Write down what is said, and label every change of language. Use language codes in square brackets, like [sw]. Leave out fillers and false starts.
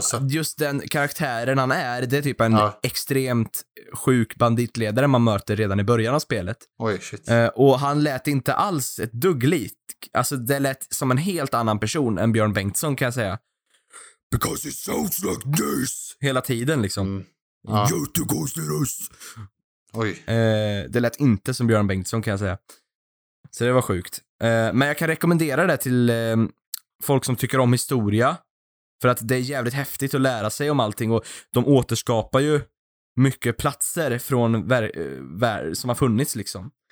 [sv] Just den karaktären han är, det är typ en extremt sjuk banditledare man möter redan i början av spelet. Oj, shit. Och han lät inte alls ett dugglit. Alltså det lät som en helt annan person än Björn Bengtsson, kan jag säga. [en] Because it sounds like this. [sv] Hela tiden liksom. Jättekonstigt. Oj. Det lät inte som Björn Bengtsson, kan jag säga. Så det var sjukt. Men jag kan rekommendera det till folk som tycker om historia. För att det är jävligt häftigt att lära sig om allting. Och de återskapar ju mycket platser från som har funnits liksom.